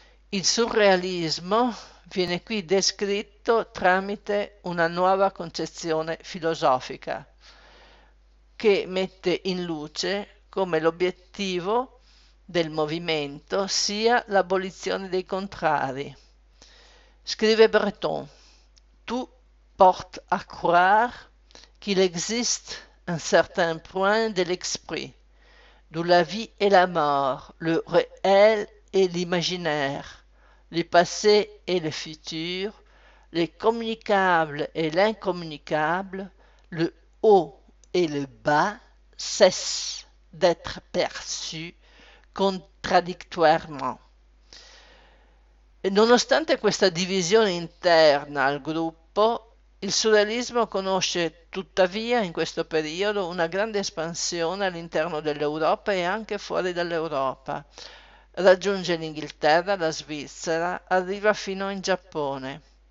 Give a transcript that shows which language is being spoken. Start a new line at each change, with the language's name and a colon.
Italian: Il surrealismo viene qui descritto tramite una nuova concezione filosofica che mette in luce come l'obiettivo del movimento sia l'abolizione dei contrari. Scrive Breton:
French: Tout porte à croire qu'il existe un certain point de l'esprit, d'où la vie et la mort, le réel et l'imaginaire, le passé et le futur, les communicables et l'incommunicable, le haut et le bas cessent d'être perçus contradictoirement.
Italian: Et nonostante questa divisione interna al gruppo, il surrealismo conosce tuttavia in questo periodo una grande espansione all'interno dell'Europa e anche fuori dall'Europa. Raggiunge l'Inghilterra, la Svizzera, arriva fino in Giappone.